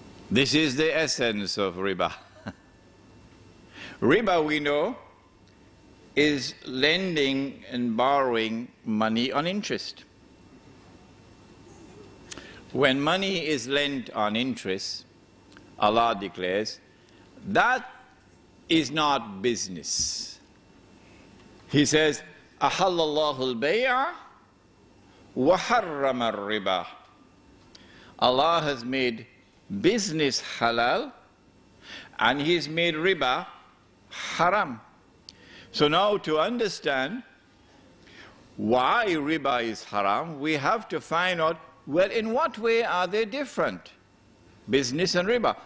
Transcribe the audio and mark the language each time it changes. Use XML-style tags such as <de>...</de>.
<en>This is the essence of riba. Riba, we know, is lending and borrowing money on interest. When money is lent on interest, Allah declares, that is not business. He says,</en> <ar>أَحَلَّ الْبَيْعَ وَحَرَّمَ الْرِبَى.</ar> <en>Allah has made business halal, and He has made riba haram. So now to understand why riba is haram, we have to find out, well, in what way are they different, business and riba?</en>